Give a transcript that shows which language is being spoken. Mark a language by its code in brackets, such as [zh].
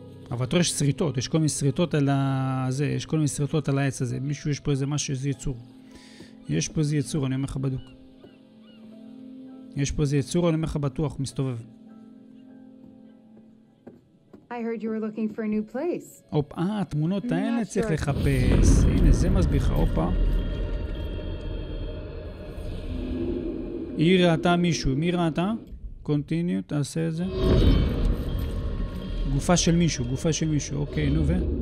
[he] אבל אתה רואה יש שריטות, יש כל מיני שריטות על הזה, יש כל מיני שריטות על העץ הזה. מישהו, יש פה איזה משהו, איזה יצור. יש פה איזה יצור, אני אומר לך בדוק. יש פה איזה יצור, אני אומר לך בטוח, מסתובב. [en] I heard you were looking for a new place. [he] אופה, התמונות האלה צריך לחפש. הנה, זה מסביך, אופה. היא ראתה מישהו, מי ראתה? קונטיניו, תעשה את זה. גופה של מישהו, גופה של מישהו, אוקיי, נו ו?